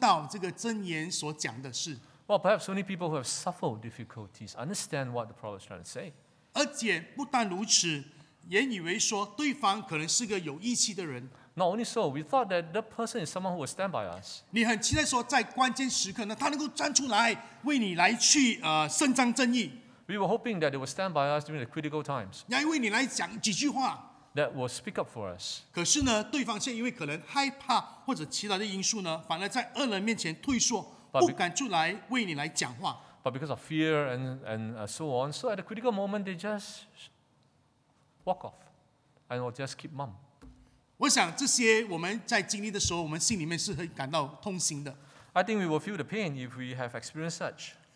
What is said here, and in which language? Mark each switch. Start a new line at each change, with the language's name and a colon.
Chinese: 我想只有这些曾经有经历过的人才能够感受到这个箴言所讲的事。
English: Well, perhaps only people who have suffered difficulties understand what the prophet is trying to say.
Chinese: 而且不但如此，也以为说对方可能是个有义气的人。
English: Not only so, we thought that the person is someone who will stand by us.
Chinese: 你很期待说在关键时刻呢，他能够站出来为你来去伸张正义。
English: We were hoping that they would stand by us during the critical times.
Chinese: 要为你来讲几句话。
English: That will speak up for us.
Chinese: 可是呢，对方却因为可能害怕或者其他的因素呢，反而在恶人面前退缩，不敢出来为你来讲话。
English: But because of fear and so on, so at the critical moment they just walk off and will just keep mum.
Chinese: 我想这些我们在经历的时候，我们心里面是会感到痛心的。
English: I think we will feel the pain if we have experienced such.